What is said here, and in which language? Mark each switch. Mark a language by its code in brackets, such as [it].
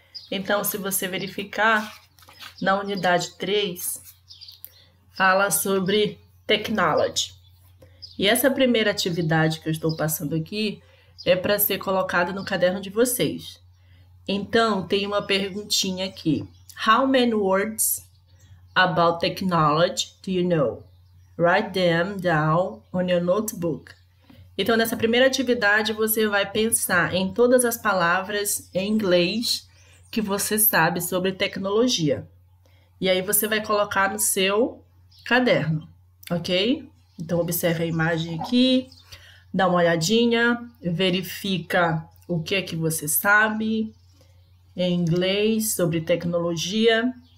[pt] Então, se você verificar, na unidade 3, fala sobre technology. E essa primeira atividade que eu estou passando aqui é para ser colocada no caderno de vocês. Então, tem uma perguntinha aqui. [en] How many words about technology do you know? Write them down on your notebook. [pt] Então, nessa primeira atividade, você vai pensar em todas as palavras em inglês que você sabe sobre tecnologia. E aí, você vai colocar no seu caderno, ok? Então, observe a imagem aqui. Dá uma olhadinha, verifica o que é que você sabe em inglês sobre tecnologia.